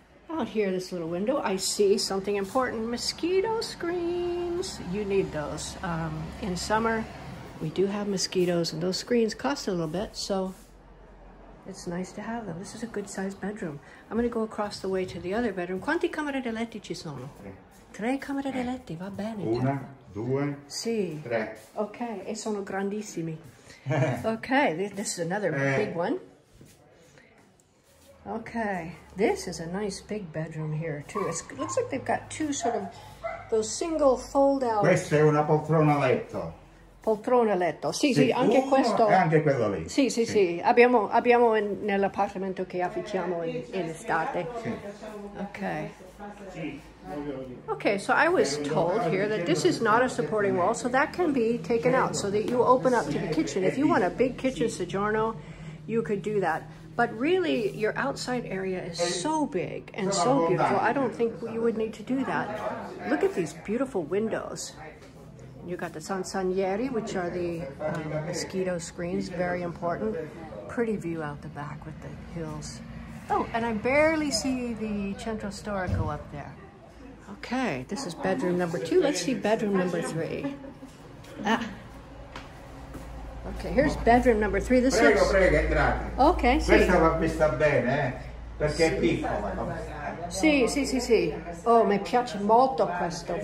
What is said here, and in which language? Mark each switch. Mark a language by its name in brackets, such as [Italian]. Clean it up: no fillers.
[English] Out here, this little window, I see something important, mosquito screens. You need those. In summer, we do have mosquitoes, and those screens cost a little bit, so it's nice to have them. This is a good sized bedroom. I'm gonna go across the way to the other bedroom. [Italian] Quanti camere da letti ci sono? Tre camere da letti, va bene. Una, due, sì. Tre. Okay, e sono grandissimi. [English] Okay, this is another big one. Okay, this is a nice big bedroom here too. It looks like they've got two sort of those single fold out. [Italian] Questa è una poltrona letto. Poltrona letto, sì, sì, sì, anche questo. E anche quello lì. Sì, sì, sì, sì. Abbiamo nell'appartamento che affittiamo in estate. Sì. [English] Okay. Okay, so I was told here that this is not a supporting wall, so that can be taken out so that you open up to the kitchen. If you want a big kitchen soggiorno, you could do that. But really, your outside area is so big and so beautiful, I don't think you would need to do that. Look at these beautiful windows. You got the sansanieri, which are the mosquito screens, very important. Pretty view out the back with the hills. Oh, and I barely see the Centro Storico up there. Okay, this is bedroom number two. Let's see bedroom number three. Ah. Okay, here's bedroom number three. This [Italian] prego, [English] looks... [Italian] Prego, entrate. [English] Okay, [Italian] sì. Questa va vista bene, perché è piccola. Sì, sì, sì, sì. Oh, mi piace molto questo.